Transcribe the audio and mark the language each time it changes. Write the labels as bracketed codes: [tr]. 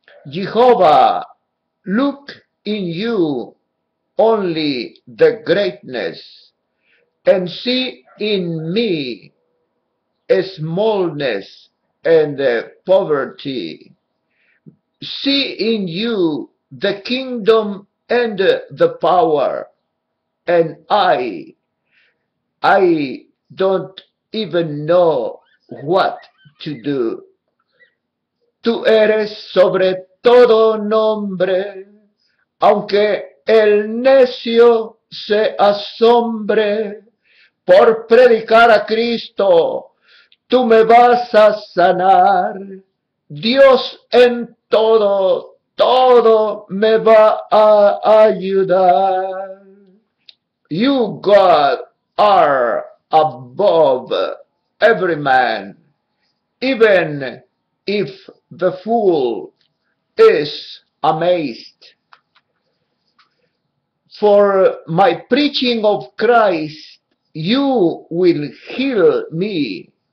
[en] Jehovah, look in you only the greatness, and see in me a smallness and a poverty. See in you the kingdom and the power, and I don't even know what to do. [es] Tú eres sobre todo nombre, aunque el necio se asombre por predicar a Cristo, tú me vas a sanar. Dios en todo, todo me va a ayudar. [en] You, God, are above every man, even if the fool is amazed. For my preaching of Christ, you will heal me.